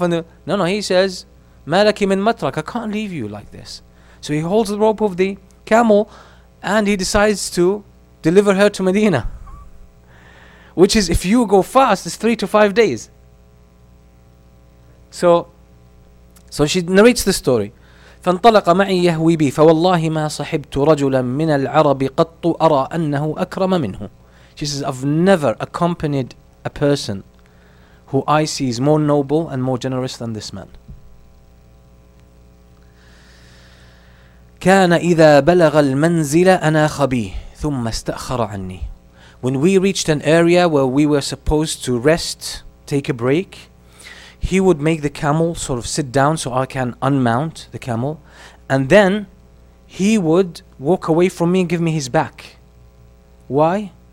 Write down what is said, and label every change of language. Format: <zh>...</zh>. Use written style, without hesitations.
<en>No, he says,</en> <ar>مالك من مترك,</ar> <en>I can't leave you like this. So he holds the rope of the camel and he decides to deliver her to Medina. Which is, if you go fast, it's 3 to 5 days. So she narrates the story.</en> <ar>فانطلق معي يهوي بي فوالله ما صحبت رجلا من العرب قط أرى أنه أكرم منه.</ar> <en>She says, I've never accompanied a person who I see is more noble and more generous than this man.</en> <ar>كان إذا بلغ المنزل أنا خبي ثم استأخر عني.</ar> <en>When we reached an area where we were supposed to rest, take a break, he would make the camel sort of sit down so I can unmount the camel. And then he would walk away from me and give me his back. Why?</en>